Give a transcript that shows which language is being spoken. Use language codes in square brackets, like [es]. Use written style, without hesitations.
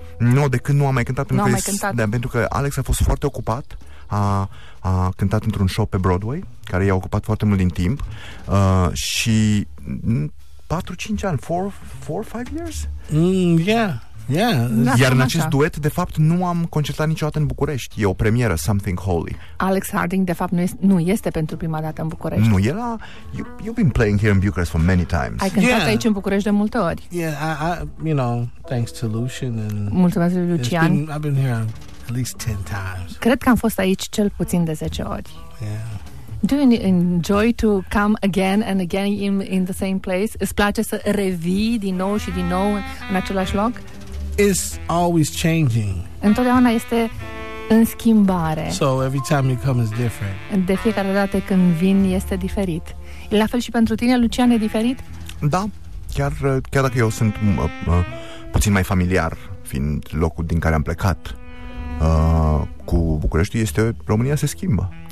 [ro] Nu, de când nu am mai cântat, pentru că Alex a fost foarte ocupat, a cântat într-un show pe Broadway, care i-a ocupat foarte mult din timp, și 4-5 ani, [en] 4-5 years? Yeah. [ro] Iar în acest duet, de fapt, nu am concertat niciodată în București. E o premieră, Something Holy. Alex Harding, de fapt, nu este pentru prima dată în București. Nu, el a... [en] You've been playing here in Bucharest for many times. [ro] Ai cântat aici în București de multe ori. [en] Yeah, I, you know, thanks to Lucian and... [ro] Mulțumesc, Lucian. [en] I've been here at least 10 times. [ro] Cred că am fost aici cel puțin de 10 ori. [en] Yeah. Do you enjoy to come again and again in the same place? [ro] Îți place să revii din nou și din nou în același loc? [en] It's always changing. [ro] Întotdeauna este în schimbare. [en] So every time you come is different. [ro] De fiecare dată când vin este diferit. La fel și pentru tine, Lucian, e diferit? Da, chiar dacă eu sunt puțin mai familiar, fiind locul din care am plecat cu București, România se schimbă.